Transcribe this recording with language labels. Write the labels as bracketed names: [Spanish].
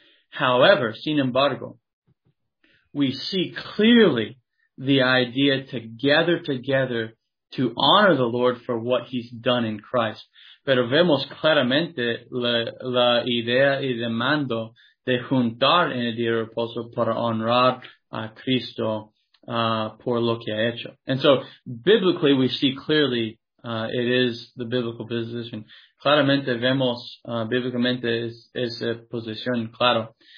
[English] However, [Spanish] sin embargo, [English] we see clearly the idea to gather together to honor the Lord for what he's done in Christ. [Spanish] Pero vemos claramente la idea y demando de juntar en el día de reposo para honrar a Cristo por lo que ha hecho. [English] And so, biblically, we see clearly it is the biblical position. [Spanish] Claramente vemos, bíblicamente, es la posición, claro.